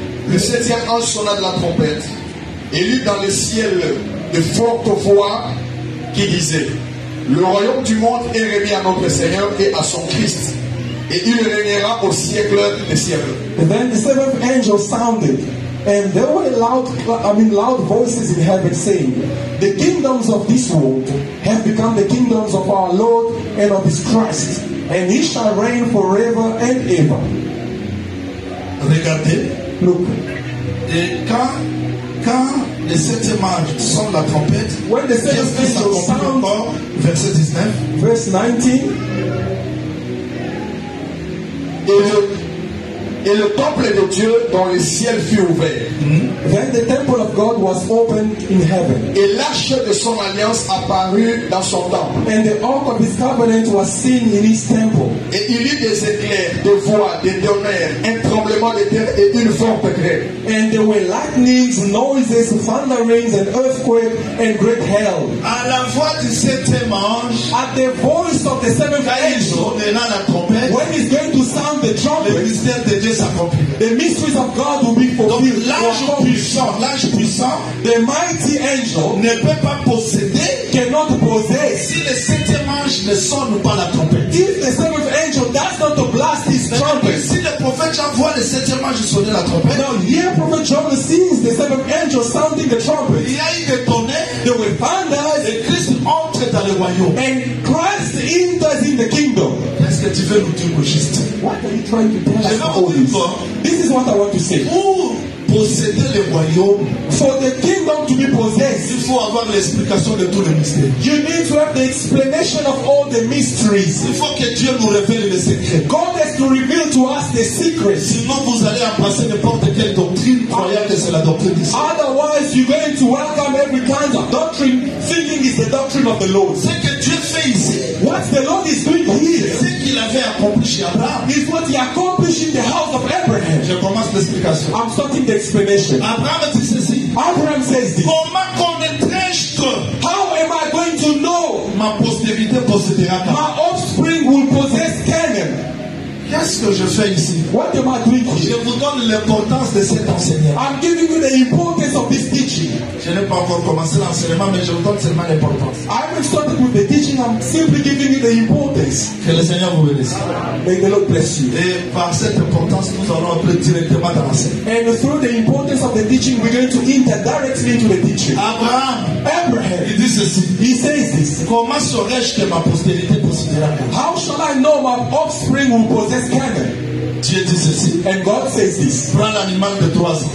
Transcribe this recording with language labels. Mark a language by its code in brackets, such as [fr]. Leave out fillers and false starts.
[fr] Le septième ange sonna de la trompette et lut dans le ciel de fortes voix qui disaient: le royaume du monde est remis à notre Seigneur et à son Christ, et il régnera au siècle des siècles. [en] And then the seventh angel sounded. And there were loud voices in heaven saying, the kingdoms of this world have become the kingdoms of our Lord and of his Christ, and he shall reign forever and ever. [fr] Regardez. [en] Look. [fr] Et quand le septième ange sonne la trompette, [en] when the seventh angel sounds, [fr] verset 19, [en] verse 19, [fr] et le temple de Dieu dans le ciel fut ouvert. [en] Then the temple of God was opened in heaven. [fr] Et l'arche de son alliance apparut dans son temple. [en] And the ark of his covenant was seen in his temple. [fr] Et il y eut des éclairs, des voix, des tonnerres, un tremblement de terre et une forte grêle. [en] And there were lightnings, noises, thunderings, and earthquake, and great hail. [fr] À la voix du septième ange, [en] at the voice of the seventh angel, when he's going to sound the trumpet, the mysteries of God will be fulfilled. [fr] L'ange puissant, [en] the mighty angel [fr] ne peut pas posséder, [en] cannot possess, [fr] si le septième ange ne sonne pas la trompette. [en] If the seventh angel does not blast his trumpet, [fr] si le prophète Jean voit le septième ange sonner la trompette, [en] now here prophet John sees the seventh angel sounding the trumpet. [fr] Il y a eu des tonnerres, [en] there were [fr] Christ entre dans le royaume. [en] And Christ enters in the kingdom. [fr] Qu'est-ce que tu veux nous dire, juste? [en] What are you trying to tell us about this? This is what I want to say. [fr] Pour posséder le royaume, [en] for the kingdom to be possessed, [fr] il faut avoir l'explication de tous les mystères. [en] You need to have the explanation of all the mysteries. [fr] Il faut que Dieu nous révèle les secrets. [en] God has to reveal to us the secrets. [fr] Sinon, vous allez embrasser n'importe quelle doctrine croyant que c'est la doctrine du Seigneur. [en] Otherwise, you're going to welcome every kind of doctrine, thinking it's the doctrine of the Lord. [fr] Ce que Dieu fait ici, [en] what the Lord is doing here, [fr] ce qu'il avait accompli chez Abraham, [en] is what he accomplished in the house of Abraham. [fr] Je commence l'explication. [en] I'm starting the explanation. [fr] Abraham dit ceci. [en] Abraham says this. [fr] Comment connaîtrai-je que? [en] How am I going to know? [fr] Ma postérité possédera [en] Canaan. My offspring will possess Canaan. [fr] Qu'est-ce que je fais ici? [en] What am I doing here? [fr] Je vous donne l'importance de cet enseignement. [en] I'm giving you the importance of this teaching. [fr] Je n'ai pas encore commencé l'enseignement, mais je vous donne seulement l'importance. [en] I haven't started with the teaching, I'm simply giving you the importance. [fr] Que le Seigneur vous bénisse. [en] May the Lord bless you. [fr] Et par cette importance, nous allons entrer directement dans l'enseignement. [en] And through the importance of the teaching, we're going to enter directly into the teaching. [fr] Abraham. Il dit ceci. [en] He says this. [fr] Comment saurais-je que ma postérité possédera? [en] How shall I know my offspring will possess? [fr] Dieu dit ceci. [en] And God says this. [fr] Prends l'animal de 3 ans.